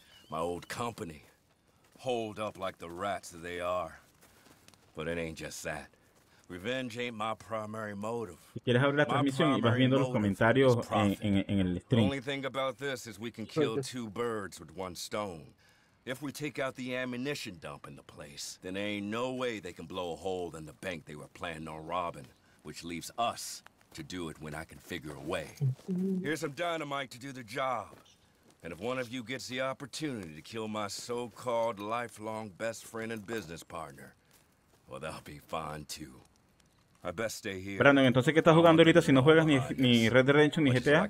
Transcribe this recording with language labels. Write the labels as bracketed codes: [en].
[en] My old company, hold up like the rats that they are. But it ain't just that. Revenge ain't my primary motive. [es] Si quieres abrir la transmisión y vas viendo los comentarios en el stream. [en] The only thing about this is we can kill two birds with one stone. If we take out the ammunition dump in the place, then ain't no way they can blow a hole in the bank they were planning on robbing, which leaves us to do it when I can figure a way. Here's some dynamite to do the job. And if one of you gets the opportunity to kill my so-called lifelong best friend and business partner, well, that'll be fine too. I best stay here. [es] Brandon, entonces, ¿qué estás jugando ahorita si no juegas ni Red Dead Redemption ni GTA?